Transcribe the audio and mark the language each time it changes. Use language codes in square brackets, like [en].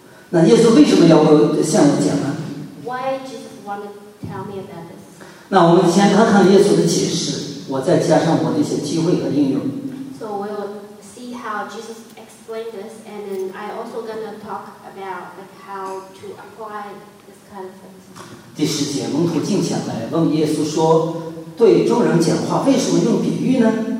[zh] 那耶稣为什么要向我讲呢？ [en] Why Jesus wanted to tell me about this? [zh] 那我们先看看耶稣的解释，我再加上我的一些机会和应用。 [en] So we will see how Jesus explained this, and then I also gonna talk about like how to apply this kind of things. [zh] 第十节，门徒进前来问耶稣说，对众人讲话为什么用比喻呢？